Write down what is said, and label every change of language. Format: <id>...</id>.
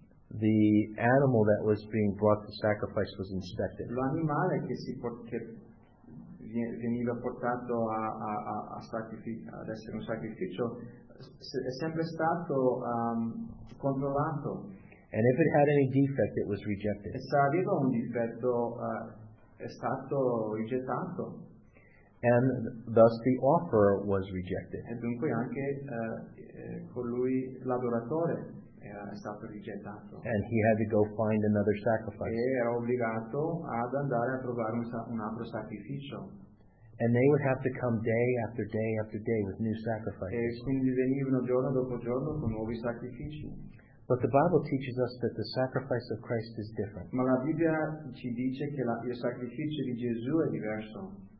<en>the animal that was being brought to sacrifice was inspected.</en> <it>L'animale che si che veniva portato a sacrificio, ad essere un sacrificio, è sempre stato controllato.</it> <en>And if it had any defect, it was rejected.</en> <it>E se aveva un difetto, è stato rigettato.</it> <en>And thus the offerer was rejected.</en> <it>E dunque anche colui l'adoratore è stato rigettato.</it> <en>And he had to go find another sacrifice.</en> <it>E era obbligato ad andare a trovare un altro sacrificio.</it> <en>And they would have to come day after day after day with new sacrifices.</en> <it>E quindi venivano giorno dopo giorno con nuovi sacrifici.</it> <en>But the Bible teaches us that the sacrifice of Christ is different.</en> <it>Ma la Bibbia ci dice che il sacrificio di Gesù è diverso.</it>